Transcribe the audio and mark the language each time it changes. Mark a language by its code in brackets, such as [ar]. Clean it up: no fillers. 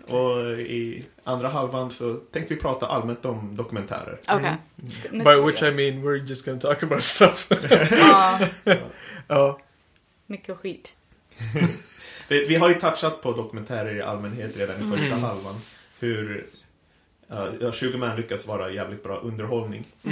[sv] Och i andra halvan så tänkte vi prata allmänt om dokumentärer. [en] Okay. Mm. By which I mean we're just going to talk about stuff. [sv] Mycket skit. Vi har ju touchat på dokumentärer i allmänhet redan i första halvan. Hur 20 män lyckas vara jävligt bra underhållning.